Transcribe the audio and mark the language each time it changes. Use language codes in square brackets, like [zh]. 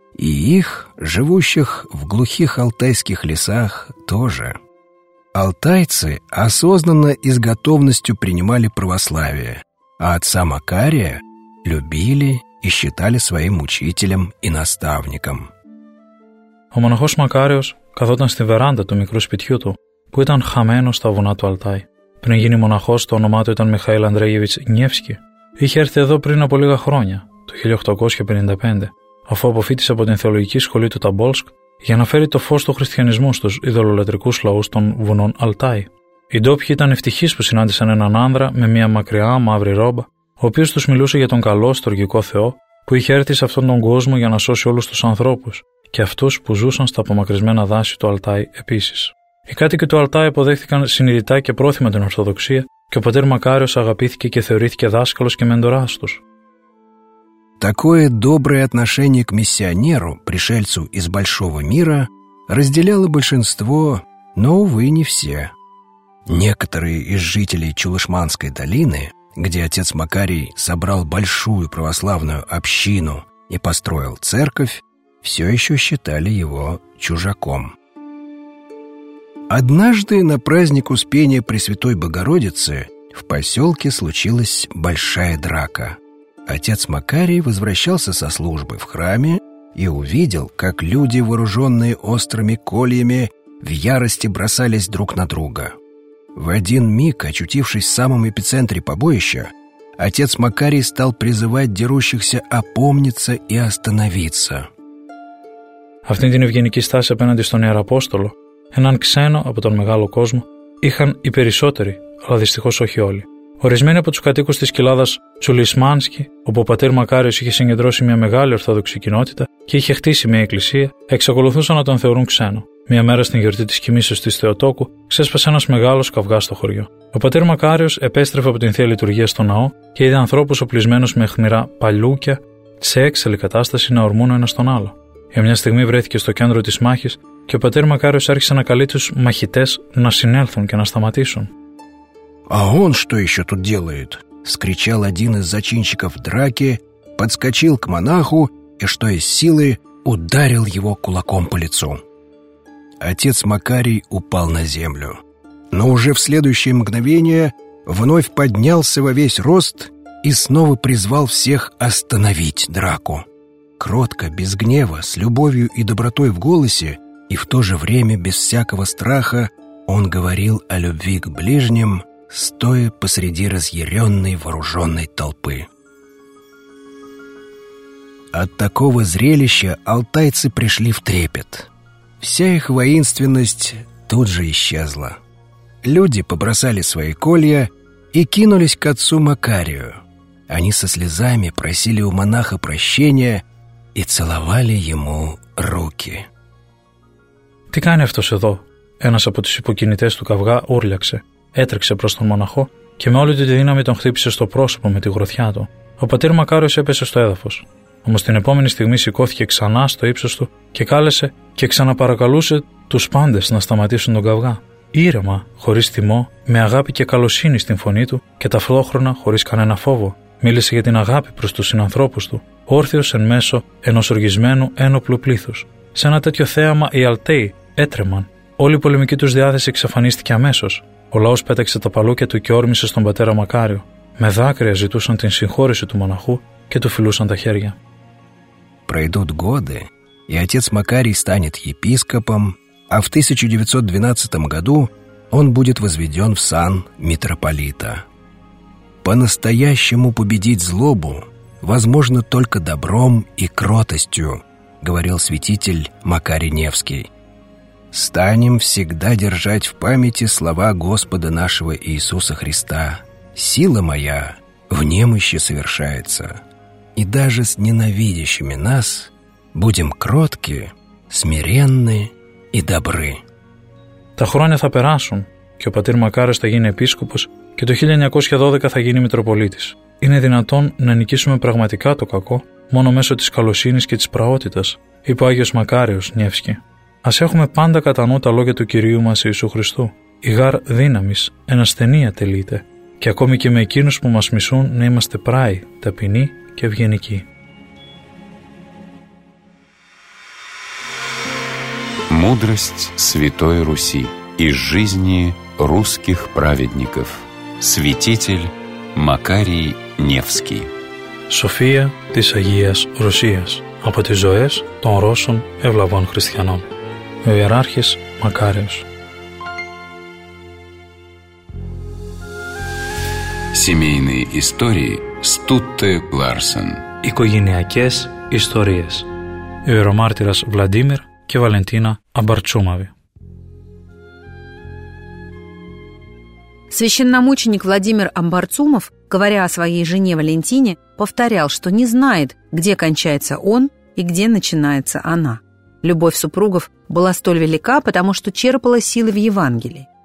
[ru] И их, живущих в глухих алтайских лесах, тоже. Алтайцы осознанно и с готовностью принимали православие, а отца Макария любили и считали своим учителем и наставником. [el] Ο μοναχός Μακάριος καθόταν στη βεράντα του μικρού σπιτιού του, που ήταν χαμένο στα βουνά του Αλτάι. Πριν γίνει μοναχός, το όνομά του ήταν Μιχαήλ Ανδρέγεβιτς Νιεύσκι. Είχε έρθει εδώ πριν από λίγα χρόνια, το 1855, αφού αποφύτησε από την θεολογική σχολή του Ταμπόλσκ, για να φέρει το φως του χριστιανισμού στους ειδωλολατρικούς λαούς των βουνών Αλτάι. Οι ντόπιοι ήταν ευτυχείς που συνάντησαν έναν άνδρα με μια μακριά μαύρη ρόμπα, ο οποίος τους μιλούσε για τον καλό στοργικό Θεό, που είχε έρθει σε αυτόν τον κόσμο για να σώσει όλους τους ανθρώπους. Και αυτούς που ζούσαν στα απομακρυσμένα δάση του Αλτάι επίσης. Οι κάτοικοι του Αλτάι αποδέχθηκαν συνειδητά και πρόθυμα την Ορθοδοξία και ο πατέρ Μακάριος αγαπήθηκε και θεωρήθηκε δάσκαλος και μέντορας τους. [ru] Такое доброе отношение к миссионеру, пришельцу из большого мира, разделяло большинство, но, увы, не все. Некоторые из жителей Чулышманской долины, где отец Макарий собрал большую православную общину и построил церковь, все еще считали его чужаком. Однажды на праздник Успения Пресвятой Богородицы в поселке случилась большая драка. Отец Макарий возвращался со службы в храме и увидел, как люди, вооруженные острыми кольями, в ярости бросались друг на друга. В один миг, очутившись в самом эпицентре побоища, отец Макарий стал призывать дерущихся опомниться и остановиться. [el] Αυτή την ευγενική στάση απέναντι στον Ιεραπόστολο, έναν ξένο από τον μεγάλο κόσμο, είχαν οι περισσότεροι, αλλά δυστυχώς όχι όλοι. Ορισμένοι από τους κατοίκους της κοιλάδας Τσουλισμάνσκι, όπου ο πατήρ Μακάριος είχε συγκεντρώσει μια μεγάλη ορθόδοξη κοινότητα και είχε χτίσει μια εκκλησία, εξακολουθούσαν να τον θεωρούν ξένο. Μια μέρα στην γιορτή της κοιμήσεως της Θεοτόκου, ξέσπασε ένας μεγάλος καυγάς στο χωριό. Ο πατήρ Μακάριος επέστρεφε από την θεία λειτουργία στο ναό και είδε ανθρώπους οπλισμένους με αιχμηρά παλούκια σε έξαλλη κατάσταση να ορμούν ο ένας τον άλλο. Για μια στιγμή βρέθηκε στο κέντρο της μάχης και ο πατήρ Μακάριος άρχισε να καλεί τους μαχητές να συνέλθουν και να σταματήσουν. [ru] «А он что еще тут делает?» Скричал один из зачинщиков драки, подскочил к монаху и, что из силы, ударил его кулаком по лицу. Отец Макарий упал на землю. Но уже в следующее мгновение вновь поднялся во весь рост и снова призвал всех остановить драку. Кротко, без гнева, с любовью и добротой в голосе, и в то же время без всякого страха, он говорил о любви к ближним, стоя посреди разъяренной вооруженной толпы. От такого зрелища алтайцы пришли в трепет. Вся их воинственность тут же исчезла. Люди побросали свои колья и кинулись к отцу Макарию. Они со слезами просили у монаха прощения и целовали ему руки. [el] «Τι κάνει αυτός εδώ?» Ένας από τους υποκινητές του καυγά ούρλιαξε. Έτρεξε προς τον μοναχό και με όλη τη δύναμη τον χτύπησε στο πρόσωπο με τη γροθιά του. Ο πατήρ Μακάριος έπεσε στο έδαφος. Όμως την επόμενη στιγμή σηκώθηκε ξανά στο ύψος του και κάλεσε και ξαναπαρακαλούσε τους πάντες να σταματήσουν τον καυγά. Ήρεμα, χωρίς θυμό, με αγάπη και καλοσύνη στην φωνή του και ταυτόχρονα χωρίς κανένα φόβο. Μίλησε για την αγάπη προς τους συνανθρώπους του, όρθιος εν μέσω ενός οργισμένου ένοπλου πλήθους. Σε ένα τέτοιο θέαμα οι Αλταίοι έτρεμαν. Όλη η πολεμική τους διάθεση εξαφανίστηκε αμέσως. Ο λαός πέταξε τα παλούκια του και όρμησε στον πατέρα Μακάριο. Με δάκρυα ζητούσαν την συγχώρηση του μοναχού και του φιλούσαν τα χέρια. [ru] Пройдут годы, и отец Макарий станет епископом, а в 1912 году он будет возведен в сан митрополита. «По-настоящему победить злобу возможно только добром и кротостью», говорил святитель Макарий Невский. станем всегда держать в памяти слова Господа нашего Иисуса Христа: «Сила моя в немощи совершается». И даже с ненавидящими нас будем кротки, смиренны и добры. [el] Τα χρόνια θα περάσουν και ο πατήρ Μακάριος θα γίνει επίσκοπος και το 1912 θα γίνει Μητροπολίτης. Είναι δυνατόν να νικήσουμε πραγματικά το κακό μόνο μέσω της καλοσύνης και της πραότητας, είπε ο Άγιος Μακάριος Νιεύσκη. Ας έχουμε πάντα κατά νου τα λόγια του Κυρίου μας Ιησού Χριστού. Ιγάρ δύναμις, εν ασθενία τελείται. Και ακόμη και με εκείνους που μας μισούν να είμαστε πράοι, ταπεινοί και ευγενικοί. [ru] Мудрость Святой Руси из жизни русских праведников. Святитель Макарий Невский. [el] София της Агίας Ρωσίας. Από τις ζωές των Ρώσων ευλαβών χριστιανών. Ο Ιεράρχης Μακάριος. [ru] Семейные истории Стутте Ларсен. [el] Οικογενειακές ιστορίες. Ιερομάρτυρας Βλαντίμιρ και Βαλεντίνα Αμπαρτσούμαβη. [ru] Священномученик Владимир Амбарцумов, говоря о своей жене Валентине, повторял, что не знает, где кончается он и где начинается она. Любовь супругов была столь велика, потому что черпала силы в Евангелии.